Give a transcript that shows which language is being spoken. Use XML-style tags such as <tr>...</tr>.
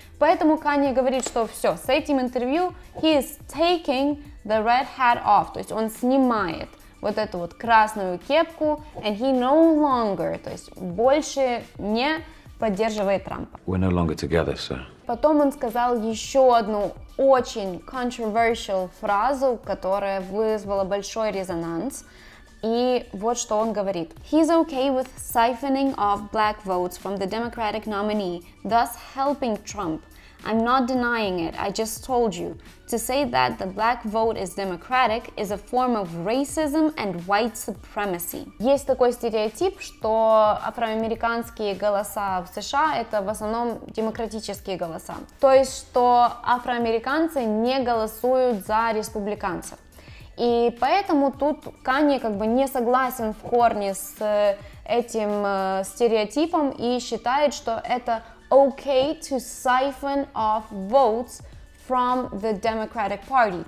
<ru>Поэтому Канье говорит, что все, с этим интервью</ru> <en>he is taking the red hat off,</en> <ru>то есть он снимает вот эту вот красную кепку,</ru> <en>and he no longer,</en> <ru>то есть больше не поддерживает Трампа.</ru> <en>We're no longer together, sir.</en> <ru>Потом он сказал еще одну очень controversial фразу, которая вызвала большой резонанс. И вот что он говорит.</ru> <en>He's okay with siphoning off black votes from the Democratic nominee, thus helping Trump. I'm not denying it, I just told you. To say that the black vote is democratic is a form of racism and white supremacy.</en> <ru>Есть такой стереотип, что афроамериканские голоса в США это в основном демократические голоса. То есть, что афроамериканцы не голосуют за республиканцев. И поэтому тут Канье как бы не согласен в корне с этим стереотипом и считает, что это</ru> <en>okay to siphon off votes from the Democratic Party.</en>